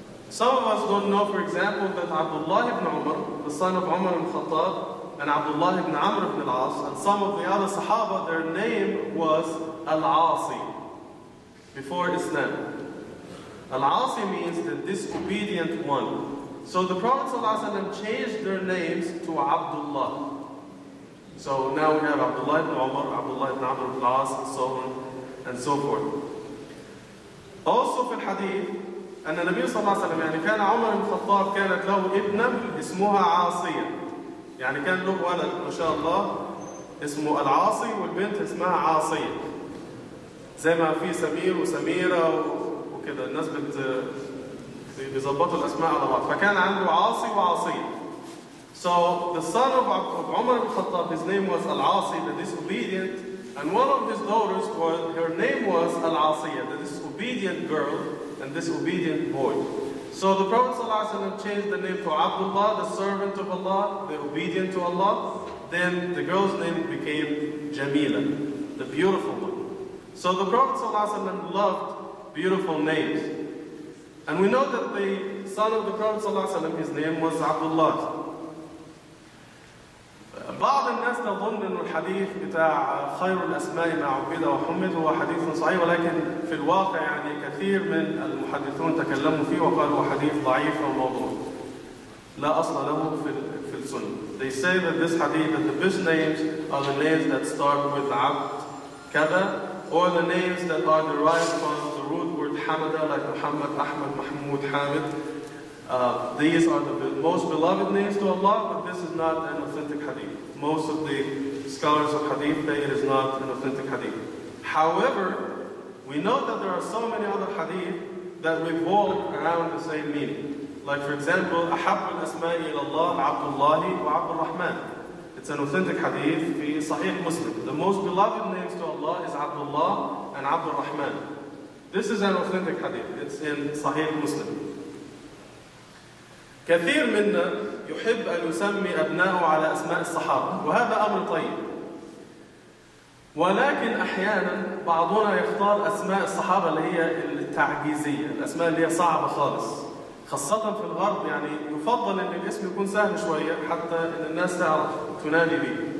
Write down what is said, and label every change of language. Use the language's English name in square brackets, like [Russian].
[English] Some of us don't know, for example, that Abdullah ibn Umar, the son of Umar ibn Khattab, and Abdullah ibn Amr ibn al-As, and some of the other Sahaba, their name was Al-Asi, before Islam. Al-Asi means the disobedient one. So the Prophet ﷺ changed their names to Abdullah. So now we have Abdullah ibn Umar, Abdullah ibn Amr ibn al-As, and so on, and so forth. Also in Hadith, [Arabic] أن النبي صلى الله عليه وسلم يعني كان عمر بن الخطاب كانت له ابنة اسمها عاصية يعني كان له ولد ما شاء الله اسمه العاصي والبنت اسمها عاصية زي ما في سمير وسميرة وكذا الناس بيزبطوا الأسماء على بعض فكان عنده عاصي وعاصية. [English] So the son of عمر بن الخطاب, his name was العاصي, the disobedient, and one of his daughters, her name was العاصية, the disobedient girl and disobedient boy. So the Prophet ﷺ changed the name to Abdullah, the servant of Allah, the obedient to Allah. Then the girl's name became Jamila, the beautiful one. So the Prophet ﷺ loved beautiful names. And we know that the son of the Prophet ﷺ, his name was Abdullah. [Arabic] بعض الناس تظن أن الحديث بتاع خير الأسماء مع عبيدة وحمد هو حديث صحيح ولكن في الواقع يعني كثير من المحدثون تكلموا فيه وقالوا حديث ضعيف أو موضوع لا أصل له في السنة. [English] They say that this hadith that the best names are the names that start with Abd كذا or the names that are derived from the root word حمدة like محمد أحمد محمود حامد. These are the most beloved names to Allah, but this is not an authentic hadith. Most of the scholars of hadith say it is not an authentic hadith. However, we know that there are so many other hadith that revolve around the same meaning. Like for example, [Arabic] أحب الأسماء إلى الله عبد الله وعبد الرحمن. [English] It's an authentic hadith [Arabic] في صحيح مسلم. [English] The most beloved names to Allah is Abdullah and عبد الرحمن. This is an authentic hadith. It's in صحيح مسلم. [Arabic] كثير منا يحب أن يسمي أبناءه على أسماء الصحابة وهذا أمر طيب ولكن أحيانا بعضنا يختار أسماء الصحابة اللي هي التعجيزية الأسماء اللي هي صعبة خالص خاصة في الغرب يعني يفضل أن الاسم يكون سهل شوية حتى أن الناس تعرف تنادي به.